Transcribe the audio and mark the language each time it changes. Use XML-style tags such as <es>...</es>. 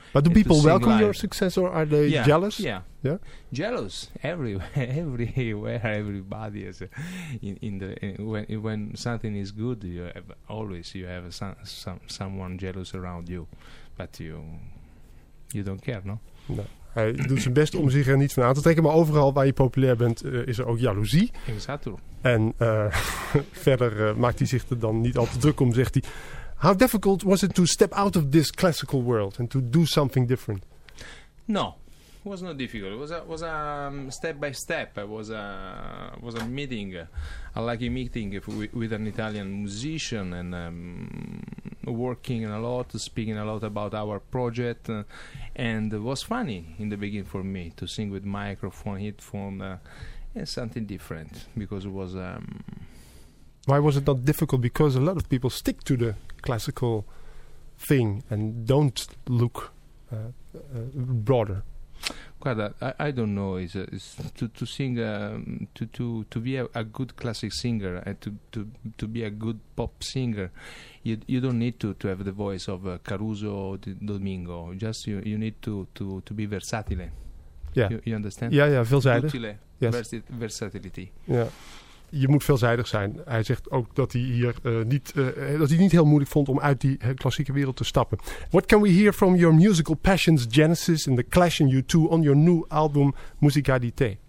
<en>But do people welcome your success, or are they jealous? Yeah. Jealous everywhere, everybody is when something is good, you have someone jealous around you, but you don't care, no? No.</en> <nl>Hij doet zijn best om zich er niet van aan te trekken. Maar overal waar je populair bent, is er ook jaloezie.</nl> <es>Exacto.</es> <nl>En verder maakt hij zich er dan niet al te druk om, zegt hij.</nl> <en>How difficult was it to step out of this classical world and to do something different? No, it was not difficult. It was a step by step. It was a meeting, a lucky meeting with an Italian musician and... working a lot, speaking a lot about our project, and it was funny in the beginning for me to sing with microphone, headphone, and something different, because it was... Why was it not difficult? Because a lot of people stick to the classical thing and don't look broader. Quite I don't know. It's to sing to be a good classic singer and to be a good pop singer, you don't need to have the voice of Caruso or Domingo. Just you need to be versatile. Yeah, you understand? Yeah, yeah,</en> <nl>veelzijdig.</nl> <en>Utile, yes. Versatility. Yeah.</en> <nl>Je moet veelzijdig zijn. Hij zegt ook dat hij hier niet heel moeilijk vond om uit die klassieke wereld te stappen.</nl> <en>What can we hear from your musical passions, Genesis, and the clash in U2 on your new album, Musica di Te?</en>